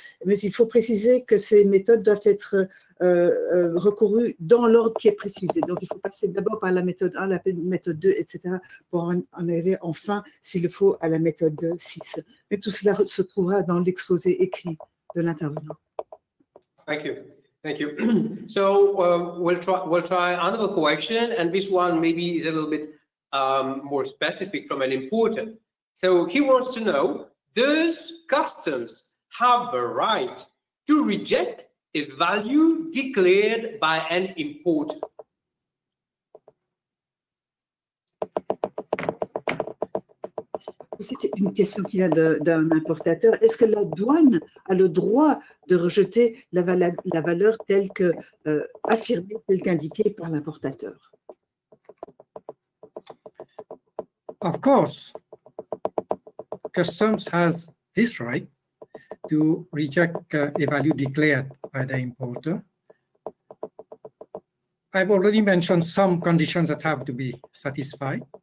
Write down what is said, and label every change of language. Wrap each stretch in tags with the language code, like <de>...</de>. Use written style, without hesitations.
<fr>Mais il faut préciser que ces méthodes doivent être recouru dans l'ordre qui est précisé. Donc, il faut passer d'abord par la méthode 1, la méthode 2, etc., pour en arriver enfin, s'il le faut, à la méthode 6. Mais tout cela se trouvera dans l'exposé écrit de l'intervenant.</fr> <en>Thank you. Thank you. So, we'll try another question, and this one maybe is a little bit more specific from an important. So, he wants to know, does customs have the right to reject a value declared by an importer?</en> <fr>C'était une question qui vient d'un importateur. Est-ce que la douane a le droit de rejeter la valeur telle que affirmée, telle qu'indiquée par l'importateur?</fr> <en>Of course, customs has this right to reject a value declared by the importer. I've already mentioned some conditions that have to be satisfied.</en>